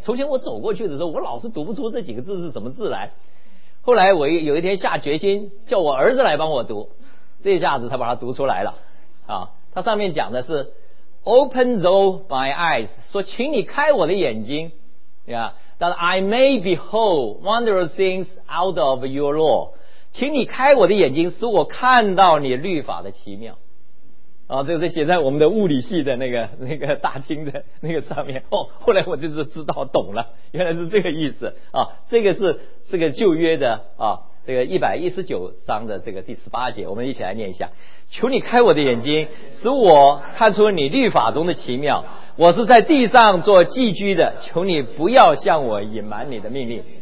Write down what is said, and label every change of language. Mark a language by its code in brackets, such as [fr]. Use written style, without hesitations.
[zh] 从前我走过去的时候，我老是读不出这几个字是什么字来，后来我有一天下决心叫我儿子来帮我读，这一下子他把它读出来了啊。它上面讲的是 [en] open though my eyes， [zh] 说请你开我的眼睛，对吧？ [en] That I may behold wondrous things out of your law， [zh] 请你开我的眼睛，使我看到你律法的奇妙啊。这个是写在我们的物理系的那个大厅的那个上面。哦，后来我就是知道懂了，原来是这个意思啊。这个是这个旧约的啊，这个119章的这个第18节，我们一起来念一下。求你开我的眼睛，使我看出你律法中的奇妙，我是在地上做寄居的，求你不要向我隐瞒你的命令。